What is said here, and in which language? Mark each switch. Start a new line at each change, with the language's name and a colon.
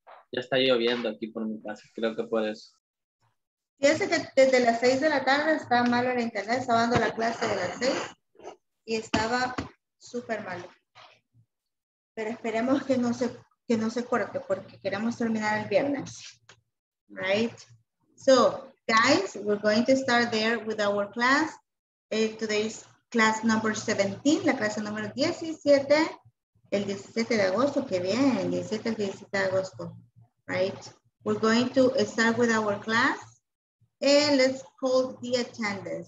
Spanish: Ya está lloviendo aquí por mi casa, creo que por eso. Fíjense que desde las 6 de la tarde está malo el internet, estaba dando la clase de las 6 y estaba súper malo. Pero esperemos que no se corte porque queremos terminar el viernes.
English: Right? So, guys, we're going to start there with our class. Today's class number 17,
Spanish: la clase número 17, el 17 de agosto, qué bien, 17 al 17 de agosto.
English: Right, we're going to start with our class and let's call the attendance.